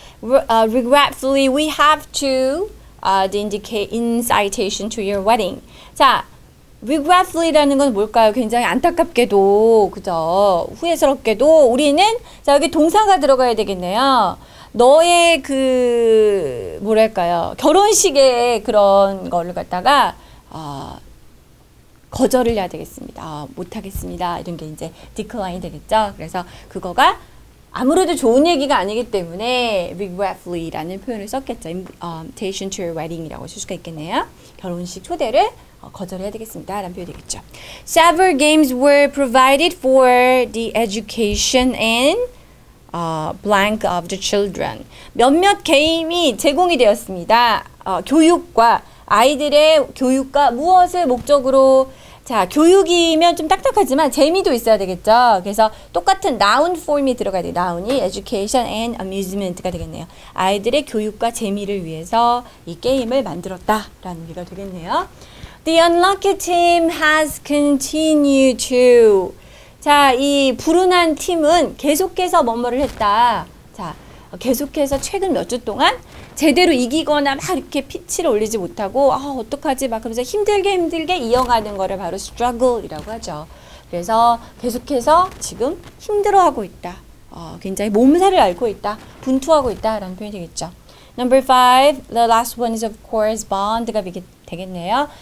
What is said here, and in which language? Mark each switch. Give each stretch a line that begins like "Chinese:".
English: Regretfully, we have to indicate incitation to your wedding.
Korean: 자, regretfully라는 건 뭘까요? 굉장히 안타깝게도, 그죠? 후회스럽게도 우리는 자 여기 동사가 들어가야 되겠네요. 너의 그 뭐랄까요? 결혼식에 그런 거를 갖다가 거절을 해야 되겠습니다. 못하겠습니다. 이런 게 이제 decline 되겠죠? 그래서 그거가 아무래도 좋은 얘기가 아니기 때문에 regretfully라는 표현을 썼겠죠.
English: Invitation to your wedding이라고 쓸 수가 있겠네요.
Korean: 결혼식 초대를 거절해야 되겠습니다. 라는 표현이 되겠죠.
English: Several games were provided for the education and blank of the children.
Korean: 몇몇 게임이 제공이 되었습니다. 교육과 아이들의 교육과 무엇을 목적으로 자, 교육이면 좀 딱딱하지만 재미도 있어야 되겠죠. 그래서 똑같은 noun form이 들어가야 돼요. noun이
English: education and amusement
Korean: 가 되겠네요. 아이들의 교육과 재미를 위해서 이 게임을 만들었다라는 의미가 되겠네요.
English: The unlucky team has continued to.
Korean: 자, 이 불운한 팀은 계속해서 뭐뭐를 했다. 자, 계속해서 최근 몇 주 동안 제대로 이기거나 막 이렇게 피치를 올리지 못하고 어떡하지 막 그러면서 힘들게 힘들게 이어가는 거를 바로 struggle이라고 하죠. 그래서 계속해서 지금 힘들어하고 있다. 굉장히 몸살을 앓고 있다. 분투하고 있다라는 표현이 되겠죠.
English: Number five, the last one is of course bond
Korean: 가 되겠네요.